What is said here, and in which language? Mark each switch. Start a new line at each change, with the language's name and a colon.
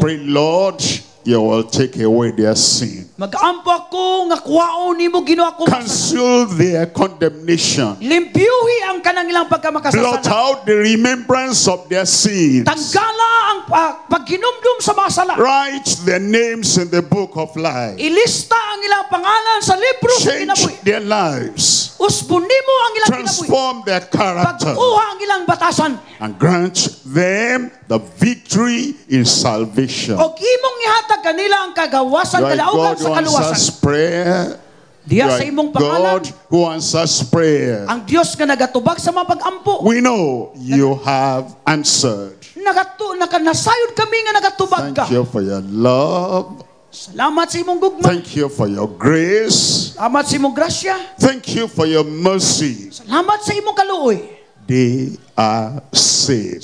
English: Pray Lord, you will take away their sin.
Cebuano: Mag-ampo ko nga kuwao nimo Ginoo ako.
English: Cancel their condemnation.
Cebuano: Limpyuhi ang kanang ilang pagkamakasala.
English: Blot out the remembrance of their sins.
Cebuano: Tanggala ang pagginumdum sa mga sala.
English: Write their names in the book of life.
Cebuano: Ilista ang ilang pangalan sa libro sa kinabuhi.
English: Change their lives.
Cebuano: Usbon nimo ang ilang kinabuhi.
English: Transform their character.
Cebuano: Pag-uha ang ilang batasan.
English: And grant them the victory in salvation.
Cebuano: O imong ihatag kanila ang kagawasan kalaugan.
English: God who answers prayer.
Cebuano: Diya sa imong pangalan.
English: God who answers prayer.
Cebuano: Ang Dios nga nagatubag sa mga pag-ampo.
English: We know you have answered.
Cebuano: Nakanasayod kami nga nagatubag ka.
English: Thank you for your love.
Cebuano: Salamat sa imong gugma.
English: Thank you for your grace.
Cebuano: Salamat sa imong grasya.
English: Thank you for your mercy.
Cebuano: Salamat sa imong kaluoy.
English: They are saved.